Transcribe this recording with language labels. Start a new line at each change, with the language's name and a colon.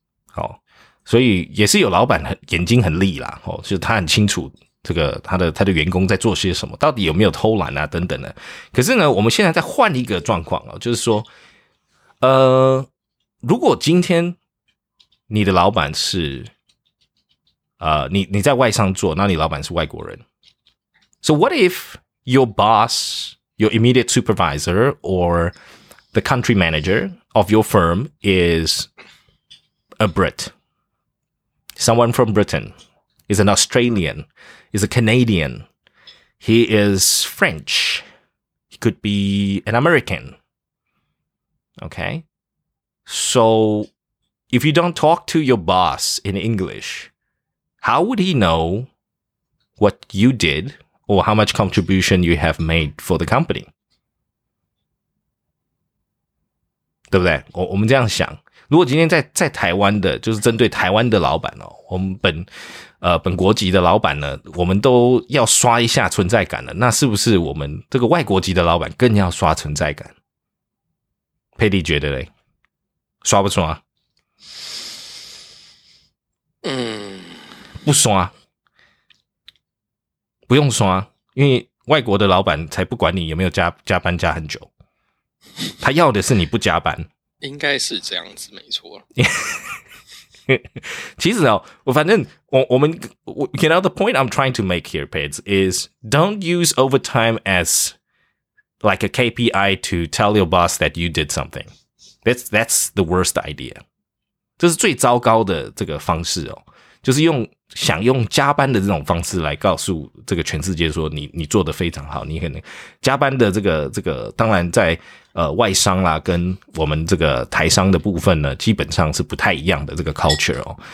Chinese: 好，所以也是有老板眼睛很利啦，就是他很清楚这个他的员工在做些什么，到底有没有偷懒啊等等的。可是呢，我们现在再换一个状况，就是说如果今天你的老板是你在外商做，那你老板是外国人。
English: So what if your boss... Your immediate supervisor or the country manager of your firm is a Brit. Someone from Britain is an Australian, is a Canadian. He is French. He could be an American. Okay. So if you don't talk to your boss in English, how would he know what you did? Or how much contribution you have made for the company.
Chinese: 对不对？我们这样想。如果今天在台湾的，就是针对台湾的老板哦，我们本国籍的老板呢，我们都要刷一下存在感了，那是不是我们这个外国籍的老板更要刷存在感？佩蒂觉得嘞，刷不刷？嗯，不刷，不用刷，因为外国的老板才不管你有没有加班加很久，他要的是你不加班。应该是这样子，没错。其实哦，反正我们
English: you know, the point I'm trying to make here, Pids, is don't use overtime as like a KPI to tell your boss that you did something. That's the worst idea.
Chinese: 这是最糟糕的这个方式哦，就是用想用加班的这种方式来告诉这个全世界说你做得非常好，你可能加班的这个当然在外商啦跟我们这个台商的部分呢基本上是不太一样的这个 culture 哦。